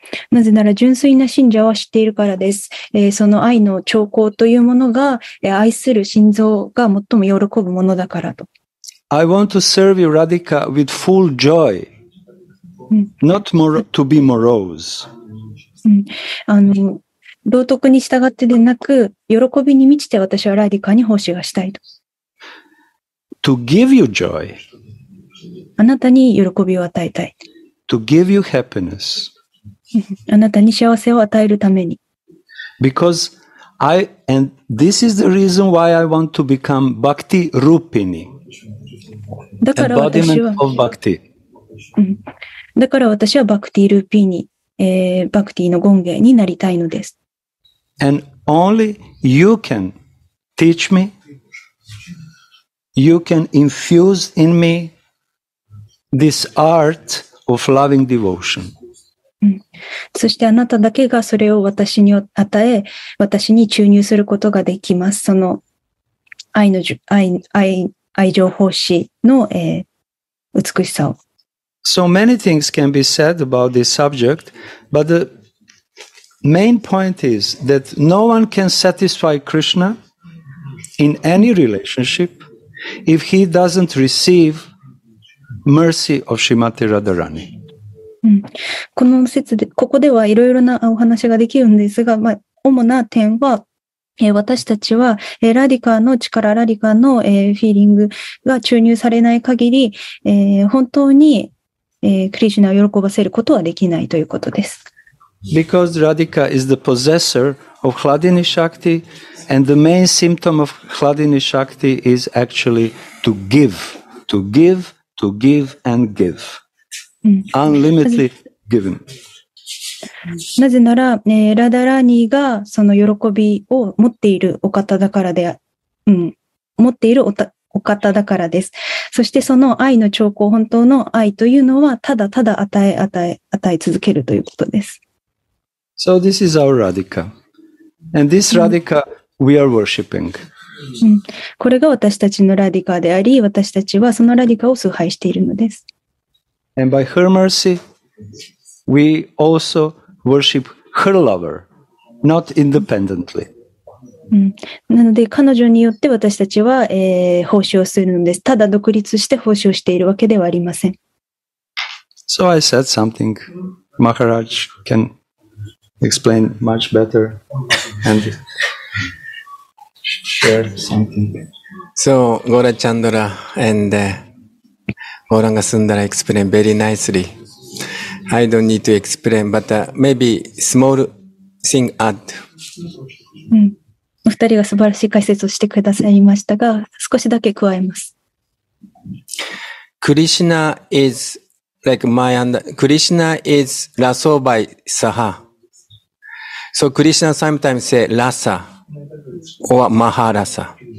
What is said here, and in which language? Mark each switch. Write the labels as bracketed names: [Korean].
[Japanese] なぜなら純粋な信者は知っているからです。その愛の兆候というものが、愛する心臓が最も喜ぶものだからと。 [English] I want to serve you, Radhika, with full joy, not more to be morose. [Japanese] 道徳に従ってでなく、喜びに満ちて私はラディカに奉仕がしたいと。 [English] To give you joy. [Japanese] あなたに喜びを与えたい。 [English] To give you happiness. [Japanese] あなたに幸せを与えるために。 [English] Because I, and this is the reason why I want to become Bhakti Rupini. [Japanese] だから私は、だから私はバクティルーピーニ、バクティのゴンゲになりたいのです。 [English] And only you can teach me, you can infuse in me this art of loving devotion. [Japanese] そしてあなただけがそれを私に与え、私に注入することができます。その愛の愛情奉仕の、美しさを。 [English] So many things can be said about this subject, but the main point is that no one can satisfy Krishna in any relationship if he doesn't receive mercy of Shrimati Radharani. [Japanese] この説で、ここではいろいろなお話ができるんですが、まあ、主な点は、私たちは、ラディカの力、ラディカの、フィーリングが注入されない限り、本当に、クリシュナを喜ばせることはできないということです。 [English] Because Radhika is the possessor of Hladini Shakti, and the main symptom of Hladini Shakti is actually to give, to give, to give and give. Unlimitedly given. [Japanese] なぜなら、ラダラーニーがその喜びを持っているお方だからで、持っている お方だからです。そしてその愛の兆候、本当の愛というのは、ただただ与え続けるということです。 [English] So this is our Radhika. And this Radhika, we are worshipping.、 [Japanese] これが私たちのラディカであり、私たちはそのラディカを崇拝しているのです。 [English] And by her mercy,We also worship her lover, not independently. [Japanese] なので彼女によって私たちは、奉仕をするのです。ただ独立して奉仕をしているわけではありません。 [English] So I said something. Maharaj can explain much better and share something. So Gaura Chandra and Gauranga Sundara explained very nicely. I don't need to explain, but、maybe small thing add. [Japanese] お二人が素晴らしい解説をしてくださいましたが、少しだけ加えます。 [English] Krishna is like my under, Krishna is Rasobai Saha. So Krishna sometimes say rasa or maharasa.